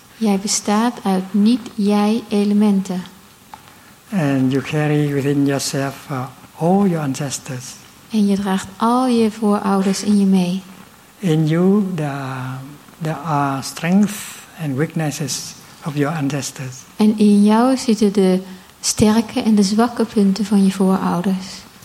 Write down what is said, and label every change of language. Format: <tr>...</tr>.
<nl>Jij bestaat uit niet-jij elementen.</nl> <en>And you carry within yourself all your ancestors.</en> <nl>En je draagt al je voorouders in je mee.</nl> <en>In you there are strengths and weaknesses of your ancestors.</en> <nl>En in jou zitten de sterke en de zwakke punten van je voorouders.</nl>